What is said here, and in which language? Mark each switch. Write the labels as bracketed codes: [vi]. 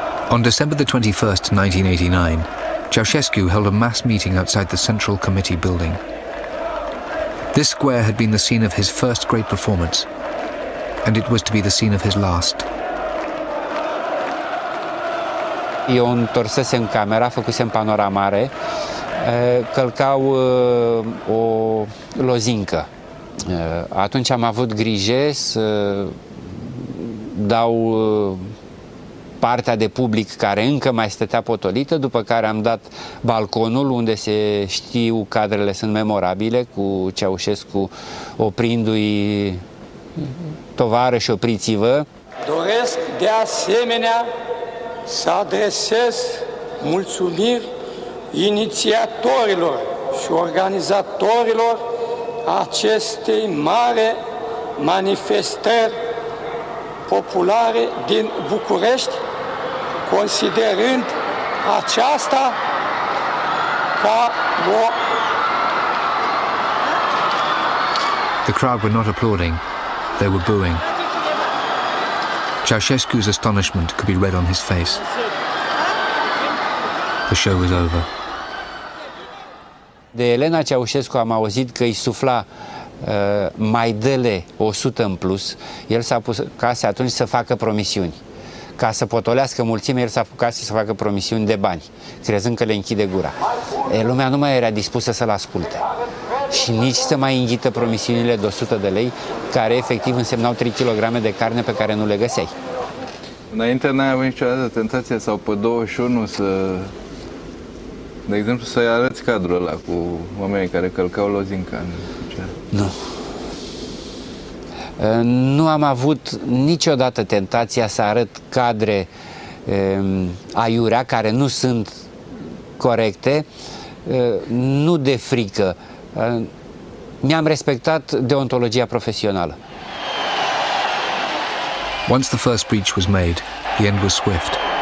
[en] On December the 21st, 1989, Ceaușescu held a mass meeting outside the Central Committee building. This square had been the scene of his first great performance, and it was to be the scene of his last. [ro] Eu întorsesem camera, făcusem panora mare, călcau o lozincă. Atunci am avut grijă să dau partea de public care încă mai stătea potolită, după care am dat balconul unde se știu cadrele sunt memorabile, cu Ceaușescu oprindu-i tovarăși, opriți-vă. Doresc de asemenea să adresez mulțumiri inițiatorilor și organizatorilor acestei mare manifestări populare din București, considerând aceasta ca o... [en] The crowd were not applauding, they were booing. Ceaușescu's astonishment could be read on his face. The show was over. [ro] De Elena Ceaușescu am auzit că îi sufla mai dele 100 în plus. El s-a pus case atunci să facă promisiuni. Ca să potolească mulțimea, el s-a apucat să facă promisiuni de bani, crezând că le închide gura. Lumea nu mai era dispusă să-l asculte și nici să mai înghită promisiunile de 100 de lei, care efectiv însemnau 3 kg de carne pe care nu le găseai. Înainte n-ai avut niciodată tentație sau pe 21 să, de exemplu, să-i arăți cadrul ăla cu oamenii care călcau lozinca în picioare? Nu. Nu am avut niciodată tentația să arăt cadre aiurea, care nu sunt corecte, nu de frică. Mi-am respectat deontologia profesională. [en] Once the first breach was made, the end was swift.